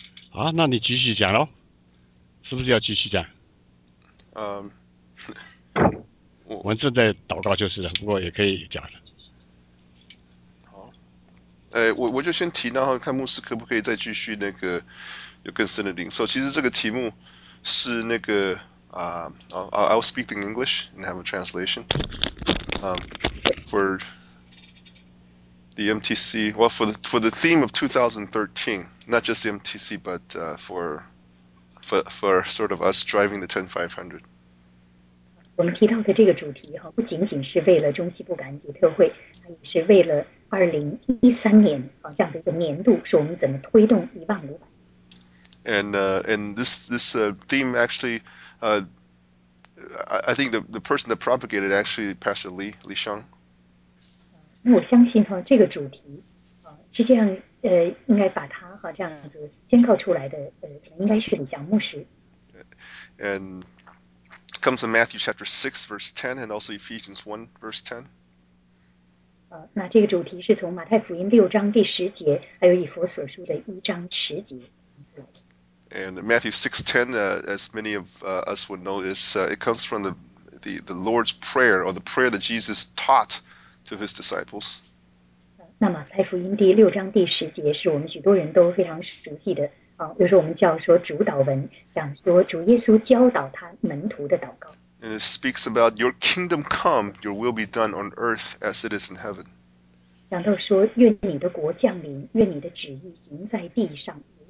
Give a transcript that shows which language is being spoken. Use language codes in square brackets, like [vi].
[zh] 好，那你继续讲喽。是不是要继续讲？我们正在祷告就是了，不过也可以讲了。好，我就先提，然后看牧师可不可以再继续那个有更深的领受。其实这个题目是那个 [en] I'll speak in English and have a translation. For the MTC, well, for the theme of 2013, not just the MTC, but for sort of us driving the 10500. [zh] 我们提到的这个主题哈，不仅仅是为了中西部感恩节特会，它也是为了2013年这样的一个年度，是我们怎么推动1500。 [en] And this theme actually, I think the person that propagated actually Pastor Li Sheng. [zh] 那我相信哈，这个主题实际上应该把它哈这样子宣告出来的应该是李祥牧师。 [en] And comes in Matthew chapter 6:10, and also Ephesians 1:10. [zh] 那这个主题是从马太福音6:10，还有以弗所书的1:10。 [en] And Matthew 6:10, as many of us would know, it comes from the Lord's Prayer, or the prayer that Jesus taught to his disciples. [zh] 那马太福音第六章第十节是我们许多人都非常熟悉的，就是我们叫说主导文，讲说主耶稣教导他门徒的祷告。 [en] And it speaks about your kingdom come, your will be done on earth as it is in heaven. [zh] 讲到说愿你的国降临，愿你的旨意行在地上。